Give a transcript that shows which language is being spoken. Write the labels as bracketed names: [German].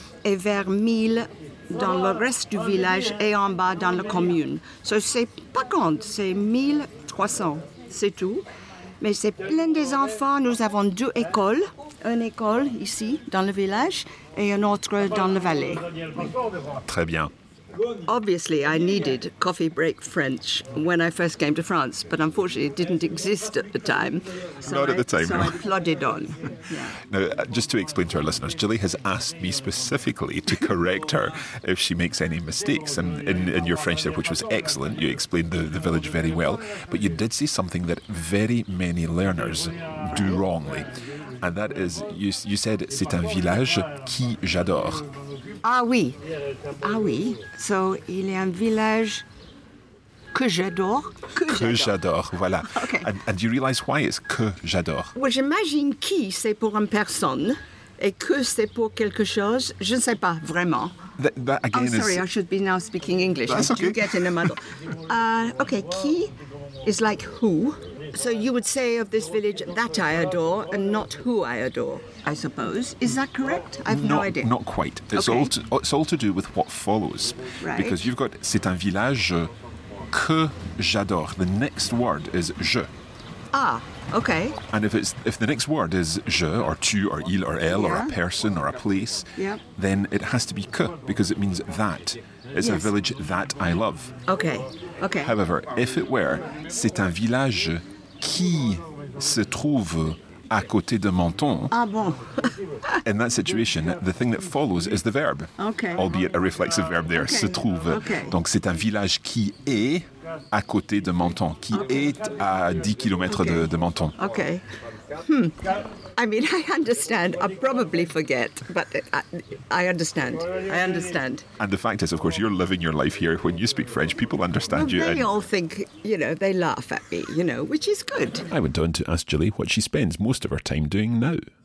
[French] Et vers 1000 dans le reste du village et en bas dans la commune. So, c'est pas grand, c'est 1300, c'est tout. Mais c'est plein des enfants. Nous avons deux écoles, une école ici dans le village et une autre dans la vallée. Très bien. [English] Obviously, I needed coffee break French when I first came to France, but unfortunately, it didn't exist at the time. So not at the time. So I plodded on. Yeah. Now, just to explain to our listeners, Julie has asked me specifically to correct her if she makes any mistakes. And in your French there, which was excellent, you explained the village very well, but you did say something that very many learners do wrongly. And that is, you said, [French] c'est un village qui j'adore. Ah oui, ah oui. So, il y a un village que j'adore. Que j'adore, voilà. [English] Okay. And you realize why it's [French] que j'adore? Well, j'imagine qui c'est pour une personne et que c'est pour quelque chose, je ne sais pas vraiment. [English] That again, I'm sorry, I should be now speaking English. That's okay. I do get in a muddle. okay, qui is like who. So you would say of this village, that I adore, and not who I adore, I suppose. Is that correct? I have no idea. Not quite. It's okay. It's all to do with what follows. Right. Because you've got, [French] c'est un village que j'adore. [English] The next word is je. Ah, okay. And if the next word is je, or tu, or il, or elle, yeah. Or a person, or a place, yeah. Then it has to be que, because it means that. It's yes. A village that I love. Okay. However, if it were, [French] c'est un village qui se trouve à côté de Menton. Ah bon? [English] In that situation, the thing that follows is the verb. Okay. Albeit a reflexive verb there, okay. [French] Se trouve. [English] Okay. [French] Donc c'est un village qui est... à côté de Menton, qui est à 10 km de Menton. [English] OK. I mean, I understand. I probably forget, but I understand. I understand. And the fact is, of course, you're living your life here. When you speak French, people understand well, you. They all think, you know, they laugh at me, you know, which is good. I went on to ask Julie what she spends most of her time doing now.